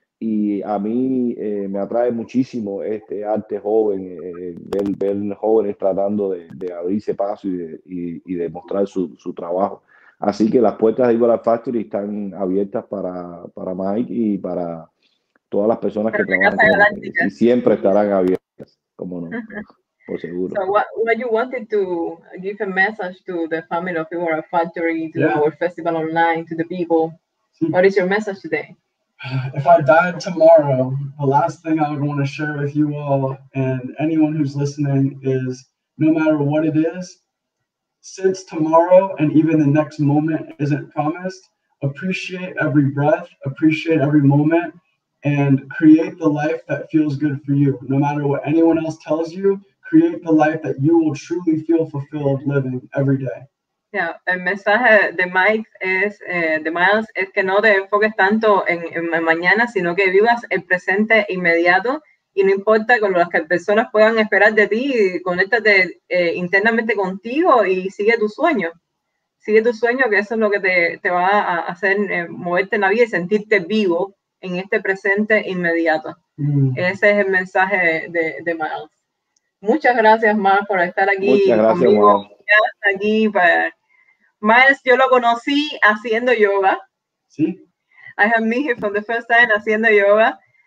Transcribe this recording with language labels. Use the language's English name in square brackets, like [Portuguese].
[Spanish] Y a mí me atrae muchísimo este arte joven, ver jóvenes tratando de abrirse paso y demostrar su trabajo. Así que las puertas de Igual Art Factory están abiertas para Mike y para todas las personas que trabajan. Y siempre estarán abiertas, como no, por seguro. [English] So what you wanted to give a message to the family of Igual Art Factory, to yeah. Our festival online, to the people? What is your message today? If I died tomorrow, the last thing I would want to share with you all and anyone who's listening is no matter what it is, since tomorrow and even the next moment isn't promised, appreciate every breath, appreciate every moment, and create the life that feels good for you. No matter what anyone else tells you, create the life that you will truly feel fulfilled living every day. [Spanish] Yeah, el mensaje de Mike es, de Miles, es que no te enfoques tanto en mañana, sino que vivas el presente inmediato y no importa con las que personas puedan esperar de ti, conéctate internamente contigo y sigue tu sueño. Sigue tu sueño, que eso es lo que te va a hacer moverte en la vida y sentirte vivo en este presente inmediato. Mm. Ese es el mensaje de Miles. Muchas gracias, Miles, por estar aquí. Muchas gracias, conmigo. Aquí para Miles, yo lo conocí haciendo yoga. Sí. [English] I have met him for the first time [Spanish] haciendo yoga.